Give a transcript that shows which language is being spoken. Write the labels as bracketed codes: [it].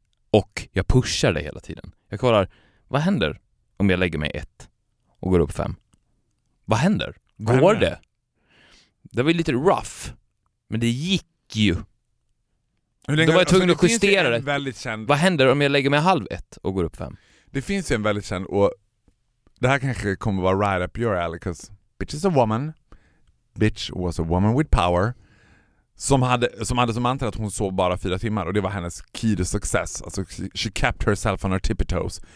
[sv] Och jag pushar det hela tiden. Jag kollar, vad händer om jag lägger mig 1 och går upp 5? Vad händer? Går det? Det var ju lite rough, men det gick ju. Då var jag tvungen att justera det. Väldigt känd... Vad händer om jag lägger mig 1/2 och går upp 5? Det finns ju en väldigt känd och det här kanske kommer vara [en] right up your alley, because bitch is a woman. Bitch was a woman with power. [sv] Som hade som mantra att hon sov bara 4 timmar. Och det var hennes [en] key to success. Alltså, she kept herself on her tippy toes.